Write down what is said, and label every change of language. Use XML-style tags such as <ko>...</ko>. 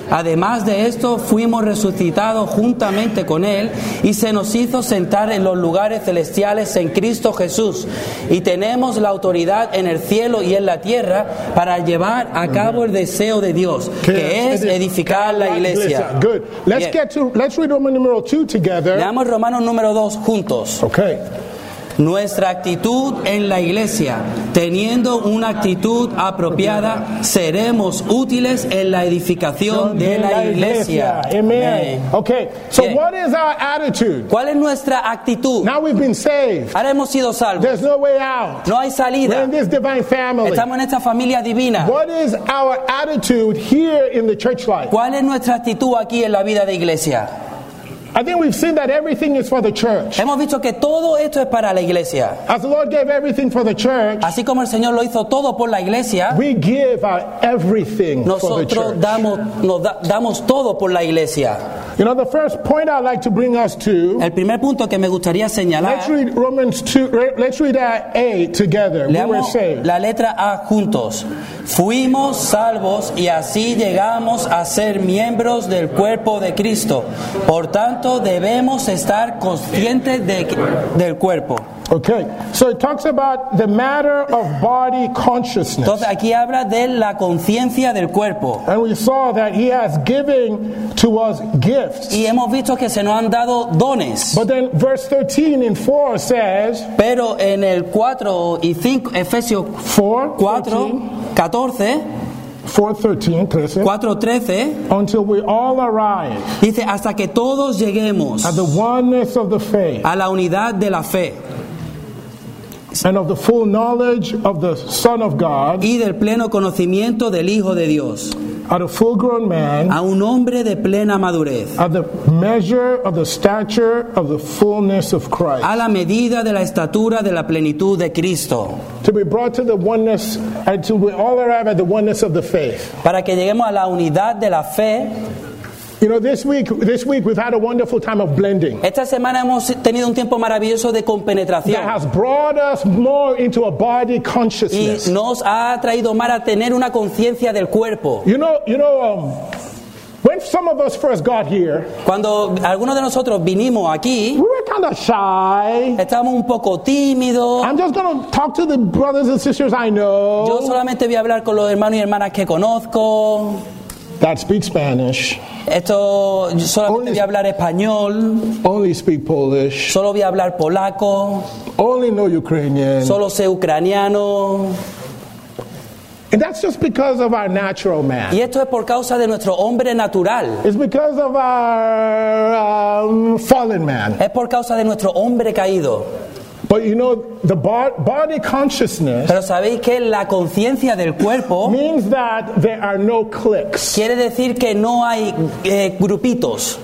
<es>Además de esto, fuimos resucitados juntamente con Él y se nos hizo sentar en los lugares celestiales en Cristo Jesús. Y tenemos la autoridad en el cielo y en la tierra para llevar a cabo el deseo de Dios, que es edificar la iglesia.</es> <en>Good. Let's read Roman numeral 2 together.</en> <es>Leamos Romanos número 2 juntos.</es> <en>Okay.</en> <es>Nuestra actitud en la iglesia, teniendo una actitud apropiada, seremos útiles en la edificación de la iglesia.</es> <en>Amen. Okay. So what is our attitude?</en> <es>¿Cuál es nuestra actitud?</es> <en>Now we've been saved.</en> <es>Ahora hemos sido salvos.</es> <en>There's no way out.</en> <es>No hay salida.</es> <en>We're in this divine family.</en> <es>Estamos en esta familia divina.</es> <en>What is our attitude here in the church life?</en> <es>¿Cuál es nuestra actitud aquí en la vida de iglesia?</es> <en>I think we've seen that everything is for the church.</en> <es>Hemos visto que todo esto es para la iglesia.</es> <en>As the Lord gave everything for the church,</en> <es>así como el Señor lo hizo todo por la iglesia,</es> <en>we give our everything for the church.</en> <es>Nosotros damos todo por la iglesia.</es> <en>You know, the first point I'd like to bring us to.</en> <es>El primer punto que me gustaría señalar.</es> <en>Let's read Romans 2. Let's read that A together.</en> <es>Leamos</es> <en>we were saved.</en> <es>La letra A juntos. Fuimos salvos y así llegamos a ser miembros del cuerpo de Cristo. Por tanto, debemos estar conscientes del cuerpo.</es> <en>Okay, so it talks about the matter of body consciousness.</en> <es>Entonces aquí habla de la conciencia del cuerpo.</es> <en>And we saw that he has given to us gifts.</en> <es>Y hemos visto que se nos han dado dones.</es> <en>But then verse 13 in 4 says.</en> <es>Pero en el 4 y 5, Efesios 4, 14.</es> <en>4:13 until we all arrive.</en> <es>Dice hasta que todos lleguemos.</es> <en>At the oneness of the faith.</en> <es>A la unidad de la fe.</es> <en>And of the full knowledge of the Son of God.</en> <es>Y del pleno conocimiento del Hijo de Dios.</es> <en>At a full-grown man.</en> <es>A un hombre de plena madurez.</es> <en>At the measure of the stature of the fullness of Christ.</en> <es>A la medida de la estatura de la plenitud de Cristo.</es> <en>To be brought to the oneness, until we all arrive at the oneness of the faith.</en> <es>Para que lleguemos a la unidad de la fe.</es> <en>You know, this week we've had a wonderful time of blending.</en> <es>Esta semana hemos tenido un tiempo maravilloso de compenetración.</es> <en>That has brought us more into a body consciousness.</en> <es>Y nos ha traído más a tener una conciencia del cuerpo.</es> <en>You know, when some of us first got here,</en> <es>cuando algunos de nosotros vinimos aquí,</es> <en>we were kind of shy.</en> <es>Estábamos un poco tímidos.</es> <en>I'm just going to talk to the brothers and sisters I know.</en> <es>Yo solamente voy a hablar con los hermanos y hermanas que conozco.</es> <en>That speak Spanish.</en> <es>Esto solamente only, voy a hablar español.</es> <en>Only speak Polish.</en> <es>Solo voy a hablar polaco.</es> <en>Only know Ukrainian.</en> <es>Solo sé ucraniano.</es> <en>And that's just because of our natural man.</en> <es>Y esto es por causa de nuestro hombre natural.</es> <en>It's because of our fallen man.</en> <es>Es por causa de nuestro hombre caído.</es> <en>But you know the body consciousness.</en> <es>Pero sabéis que la conciencia del cuerpo</es> <en>means that there are no cliques.</en> <es>Quiere decir que no hay grupitos.</es>